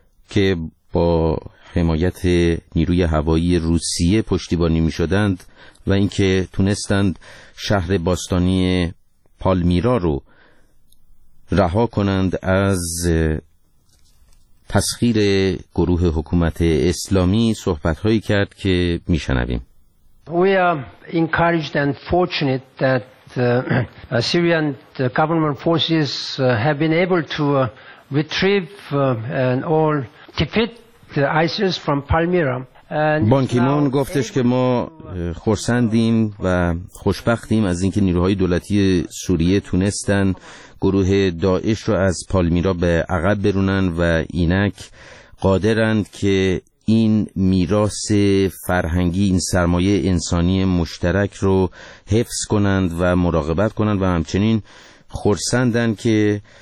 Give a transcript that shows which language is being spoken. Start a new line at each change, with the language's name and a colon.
Persian: که با حمایت نیروی هوایی روسیه پشتیبانی می شدند و اینکه تونستند شهر باستانی پالمیرا رو رها کنند از تسخیر گروه حکومت اسلامی، صحبت هایی کرد که می شنویم.
English: We are encouraged and fortunate that Syrian government forces have been able to retrieve and all defeat ISIS from Palmyra.
Persian: بانکیمون گفتش که ما خرسندیم و خوشبختیم از اینکه نیروهای دولتی سوریه تونستن گروه داعش رو از پالمیرا به عقب برونن و اینک قادرند که این میراث فرهنگی، این سرمایه انسانی مشترک رو حفظ کنند و مراقبت کنند، و همچنین خرسندن که